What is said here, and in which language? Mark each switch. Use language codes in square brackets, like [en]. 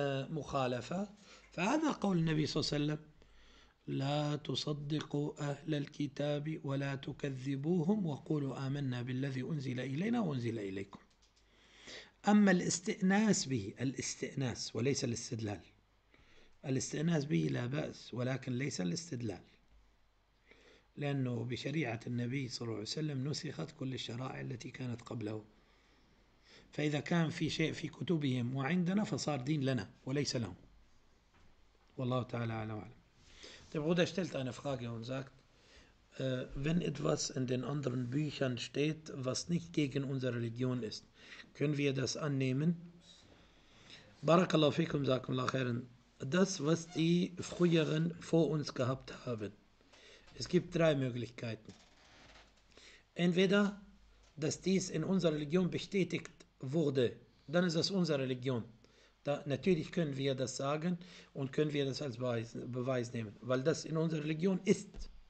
[ar] مخالفة فهذا قول النبي صلى الله عليه وسلم لا تصدقوا أهل الكتاب ولا تكذبوهم وقولوا آمنا بالذي أنزل إلينا وأنزل إليكم أما الاستئناس به الاستئناس وليس الاستدلال الاستئناس به لا بأس ولكن ليس الاستدلال لأنه بشريعة النبي صلى الله عليه وسلم نسخت كل الشرائع التي كانت قبله فإذا كان في شيء في كتبهم وعندنا فصار دين لنا وليس لهم والله تعالى أعلم وأعلم. [de] طيب Bruder stellt eine Frage und sagt, wenn etwas in den anderen Büchern steht, was nicht gegen unsere Religion ist, können wir das annehmen? [ar] بارك الله فيكم جزاكم الله خيرا. [de] Das, was die früheren vor uns gehabt haben. Es gibt drei Möglichkeiten. Entweder, dass dies in unserer Religion bestätigt wurde, dann ist das unsere Religion. Da, natürlich können wir das sagen und können wir das als Beweis nehmen, weil das in unserer Religion ist.